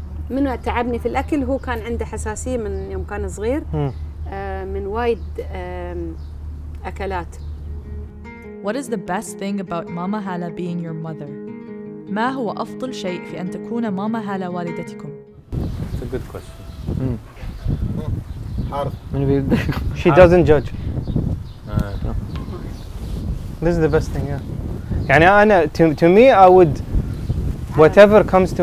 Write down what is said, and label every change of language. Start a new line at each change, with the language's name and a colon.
Arabic: منو تعبني في الاكل؟ هو كان عنده حساسية من يوم كان صغير من وايد اكلات.
English: What is the best thing about Mama Hala being your mother?
Arabic: ما هو أفضل شيء في أن تكون ماما هالة والدتكم؟
English: It's a good question. حارف. She doesn't judge. This is the best thing, yeah.
Arabic: يعني أنا
English: to me I would whatever comes to.